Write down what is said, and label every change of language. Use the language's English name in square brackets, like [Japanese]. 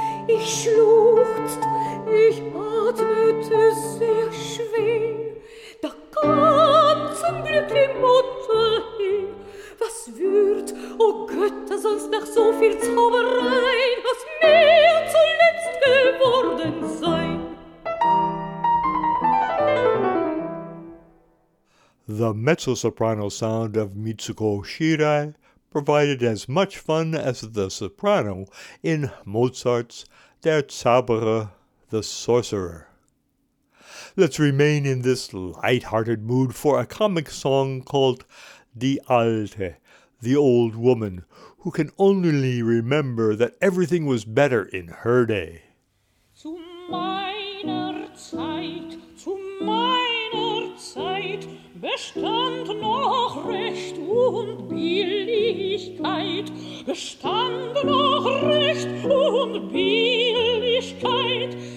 [German] Ich schluchzt, ich atmete sehr schwer. Da kam zum Glück die Mutter hin. Was würd, o Götter, sonst nach so viel Zauberei aus mir zuletzt geworden sein. [English] The mezzo-soprano sound of Mitsuko Shirai provided as much fun as the soprano in Mozart's Der Zauberer, the Sorcerer. Let's remain in this light-hearted mood for a comic song called Die Alte, the Old Woman, who can only remember that everything was better in her day. [German] Zu meiner Zeit, zu meiner Zeit, bestand noch Recht und Billigkeit, bestand noch Recht und Billigkeit.